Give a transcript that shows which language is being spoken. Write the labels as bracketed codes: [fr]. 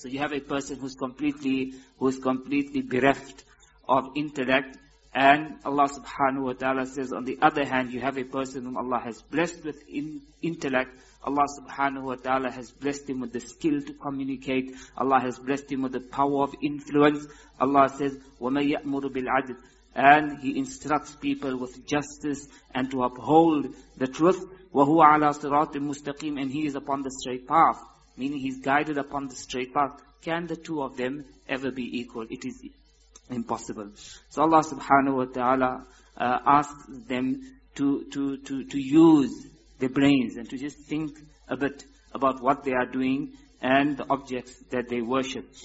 [en] So you have a person who is completely bereft of intellect. And Allah subhanahu wa ta'ala says, on the other hand, you have a person whom Allah has blessed with intellect. Allah subhanahu wa ta'ala has blessed him with the skill to communicate. Allah has blessed him with the power of influence. Allah says, [ar] وَمَنْ يَأْمُرُ بِالْعَدْلِ. [en] And he instructs people with justice and to uphold the truth. [ar] وَهُوَ عَلَىٰ صِرَاطٍ مُسْتَقِيمٍ. [en] And he is upon the straight path. Meaning he is guided upon the straight path. Can the two of them ever be equal? It is impossible. So Allah subhanahu wa ta'ala asks them to use their brains and to just think a bit about what they are doing and the objects that they worship.